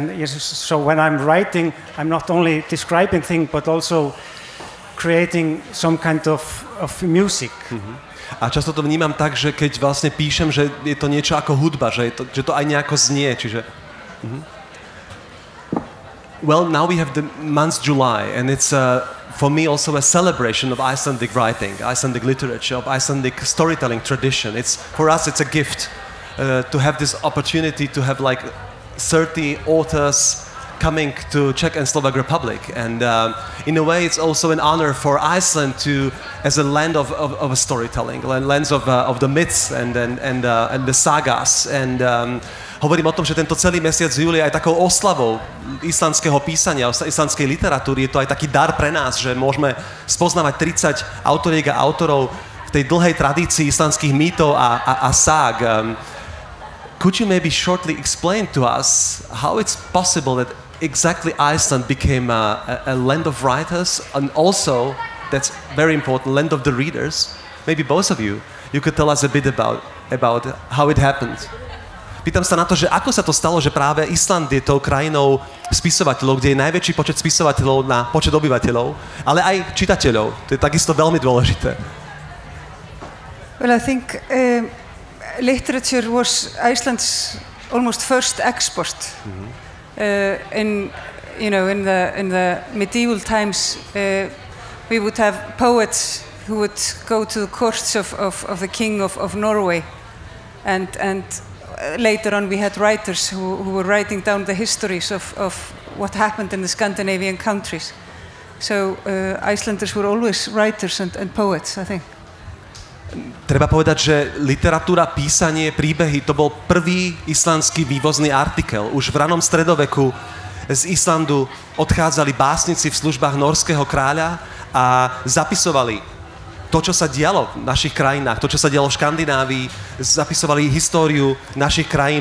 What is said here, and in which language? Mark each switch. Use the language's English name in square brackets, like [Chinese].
[English] So when I'm writing, I'm not only describing things, but also creating some kind of music. Mm-hmm. [Slovak] A často to vnímam tak, že keď vlastne píšem, že je to niečo ako hudba, že to aj nejako znie, čiže... Mm-hmm. [English] Well, now we have the month July, and it's for me also a celebration of Icelandic writing, Icelandic literature, of Icelandic storytelling tradition. For us, it's a gift. To have this opportunity to have like 30 authors coming to Czech and Slovak Republic. And in a way, it's also an honor for Iceland to, as a land of storytelling, lands of the myths and the sagas. [Slovak] And hovorím o tom, že tento celý mesiac júli aj takou oslavou islandského písania, islandskej literatúry. Je to aj taký dar pre nás, že môžeme spoznávať 30 autoriek a autorov v tej dlhej tradícii islandských mýtov a sag. [English] Could you maybe shortly explain to us how it's possible that exactly Iceland became a land of writers and also, that's very important, land of the readers? Maybe both of you could tell us a bit about how it happened. [Slovak] Pýtam sa na to, že ako sa to stalo, že práve Island je tou krajinou spisovateľov, kde je najväčší počet spisovateľov na počet obyvateľov, ale aj čitateľov. To je takisto veľmi dôležité. [English] Well, I think literature was Iceland's almost first export. In the medieval times, we would have poets who would go to the courts of the king of Norway, and later on we had writers who were writing down the histories of what happened in the Scandinavian countries. So Icelanders were always writers and poets, I think. [Slovak] Treba povedať, že literatúra, písanie, príbehy, to bol prvý islandský vývozný artikel. Už v ranom stredoveku z Islandu odchádzali básnici v službách norského kráľa a zapisovali to, čo sa dialo v našich krajinách, to, čo sa dialo v Škandinávii, zapisovali históriu našich krajín.